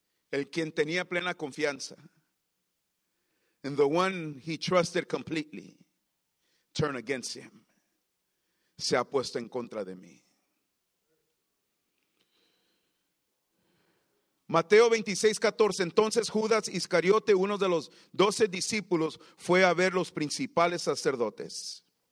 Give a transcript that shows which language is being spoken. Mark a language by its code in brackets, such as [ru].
[es] El quien tenía plena confianza. [en] And the one he trusted completely turned against him. [es] Se ha puesto en contra de mí. Mateo 26, 14. Entonces Judas Iscariote, uno de los 12 discípulos, fue a ver los principales sacerdotes.